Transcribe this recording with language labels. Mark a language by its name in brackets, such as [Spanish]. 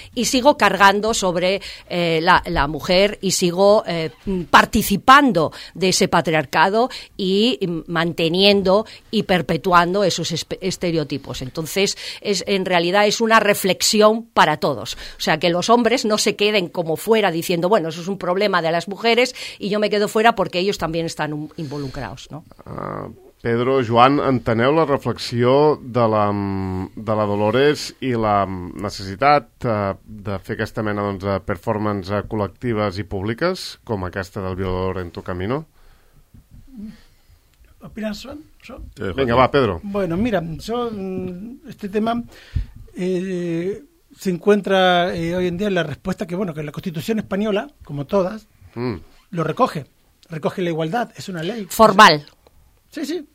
[Spanish] Y sigo cargando sobre la mujer y sigo participando de ese patriarcado y manteniendo y perpetuando esos estereotipos. Entonces, en realidad es una reflexión para todos. O sea, que los hombres no se queden como fuera diciendo, bueno, eso es un problema de las mujeres y yo me quedo fuera, porque ellos también están involucrados, ¿no? [Catalan] Pedro, Joan, enteneu la reflexió de la Dolores i la necessitat de fer aquesta mena doncs, de performances col·lectives i públiques, com aquesta del [Spanish] Violador en tu camino? Opinas, Joan? [Catalan] Sí, vinga, va, Pedro. [Spanish] Bueno, mira, este tema se encuentra hoy en día en la respuesta que, bueno, que la Constitución española, como todas, lo recoge. Recoge la igualdad, es una ley. Formal. Sí, sí.